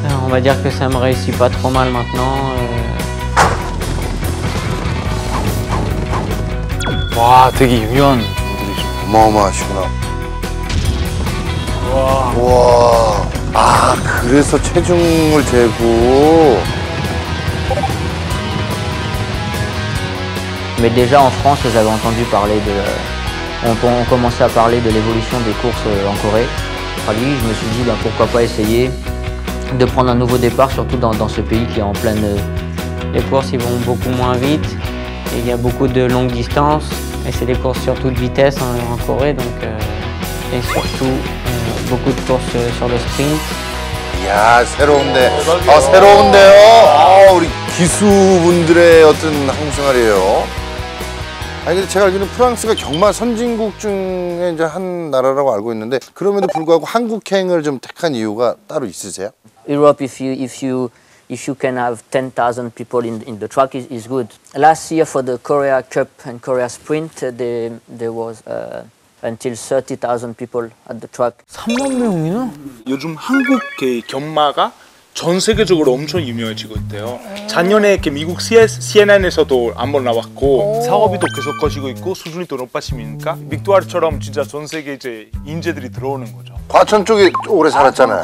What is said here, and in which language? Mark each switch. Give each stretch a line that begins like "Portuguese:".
French: On va dire que ça me réussit pas trop mal maintenant.
Korean: 와, 되게 유명한 분들이죠. 어마어마하시구나. 우와. 우와. 아, 그래서 체중을 재고.
French: Mais déjà en France, j'avais entendu parler de. On commençait à parler de l'évolution des courses en Corée. Enfin, lui, je me suis dit, ben, pourquoi pas essayer de prendre un nouveau départ, surtout dans ce pays qui est en pleine. Les courses, ils vont beaucoup moins vite. Il y a beaucoup de longues distances. Et c'est des courses surtout de vitesse en Corée, donc et surtout beaucoup de courses sur le sprint.
Korean: Ya, 새로운데. 아, 새로운데요. 아, 우리 기수분들의 어떤 한국 생활이에요. 아니 근데 제가 알기로는 프랑스가 경마 선진국 중에 이제 한 나라라고 알고 있는데 그럼에도 불구하고 한국행을 좀 택한 이유가 따로 있으세요?
English: Europe, if you can have 10,000 people in the track is good. Last year for the Korea Cup and Korea Sprint, there was until 30,000 people at the track.
Korean: 3만 명이나? 요즘 한국 경마가 전 세계적으로 엄청 유명해지고 있대요. 작년에 미국 CNN에서도 한번 나왔고 사업이도 계속 커지고 있고 수준이 더 높아지니까 빅토르처럼 진짜 전 세계 이제 인재들이 들어오는 거죠. 과천 쪽에 오래 살았잖아요.